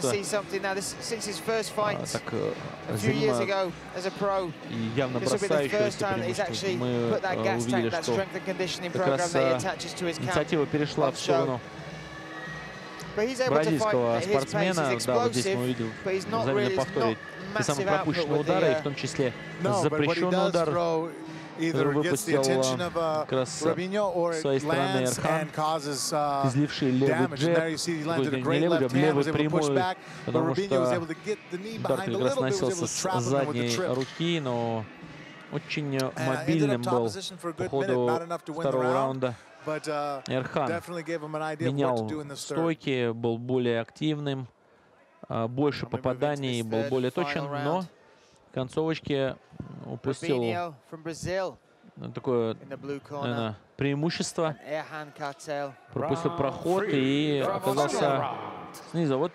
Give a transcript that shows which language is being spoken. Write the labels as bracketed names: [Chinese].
[Russian] Так, зима, явно бросающееся преимущество. Мы увидели, что как раз инициатива перешла в сторону бразильского спортсмена. Да, вот здесь мы увидим, заметно повторить, те самые пропущенные удары, и в том числе запрещенный удар. [English] either gets the attention of Robinho or it lands and causes damage. There you see he landed a great left hand, was able to push back, but Robinho was able to get the knee behind a little bit, was able to trap him with the trip. [Russian] Очень мобильным был по ходу второго раунда. Эрхан менял стойки, был более активным, больше попаданий, был более точен, но в концовочке упустил такое, наверное, преимущество, пропустил проход и оказался снизу.